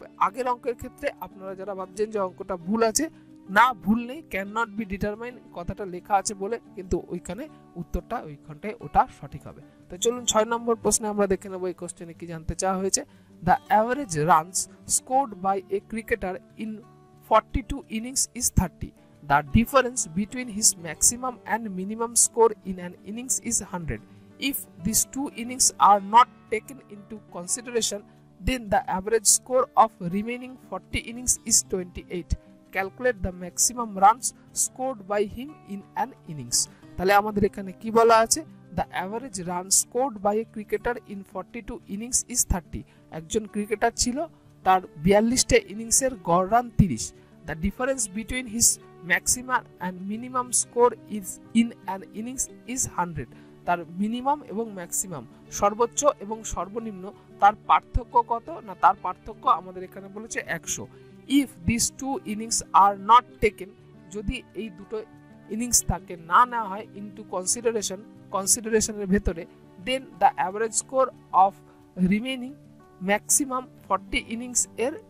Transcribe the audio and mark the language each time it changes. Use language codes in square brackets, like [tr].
[bn] আগের অঙ্কের ক্ষেত্রে আপনারা যারা ভাবছেন যে অঙ্কটা ভুল আছে না ভুল নেই [en] can not be determine [bn] কথাটা লেখা আছে বলে কিন্তু ওইখানে উত্তরটা ওইখানটায় ওটা সঠিক হবে তো চলুন 6 নম্বর প্রশ্নে আমরা দেখে নেবো এই কোশ্চেনে কি জানতে চাওয়া হয়েছে [en] The average runs scored by a cricketer in 42 innings is 30 The difference between his maximum and minimum score in an innings is 100. If these two innings are not taken into consideration, then the average score of remaining 40 innings is 28. Calculate the maximum runs scored by him in an innings. [bn] তাহলে আমাদের এখানে কি বলা আছে? [en] The average run scored by a cricketer in 42 innings is 30. [bn] একজন cricketer ছিল, তার 42টা ইনিংসের গড় run 30. [en] The difference between his maximum and minimum score is in an innings is 100 [bn] তার মিনিমাম এবং ম্যাক্সিমাম সর্বোচ্চ এবং সর্বনিম্ন তার পার্থক্য কত না তার পার্থক্য আমাদের এখানে বলেছে [en] 100 if this two innings are not taken [bn] যদি এই দুটো ইনিংস তাকে না নেওয়া হয় [en] into consideration [bn] কনসিডারেশনের ভেতরে [en] then the average score of remaining maximum 40 innings এর